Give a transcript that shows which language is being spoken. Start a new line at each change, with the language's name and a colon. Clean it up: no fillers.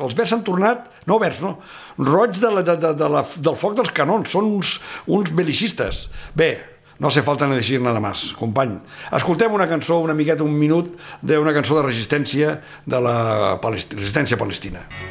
Catalan: Els verds han tornat, no verds, no, roig del foc dels canons, són uns belicistes.
Spanish: Bé, no hace falta decir nada más, company.
Catalan: Escoltem una cançó, una miqueta, un minut, d'una cançó de resistència de la resistència palestina.